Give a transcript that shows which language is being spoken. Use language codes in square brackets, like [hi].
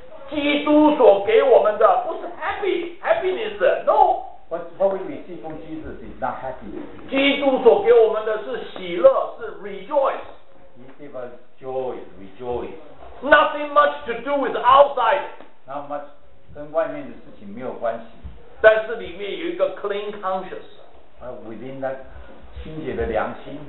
[zh] 基督所给我们的不是 happiness, no. [en] What we receive from Jesus is not happiness. [zh] 基督所给我们的是喜乐，是 rejoice. [en] He gave us joy, rejoice. Nothing much to do with outside. Not much, [zh] 跟外面的事情没有关系。但是里面有一个 clean conscience. [en] Within that, [zh] 清洁的良心。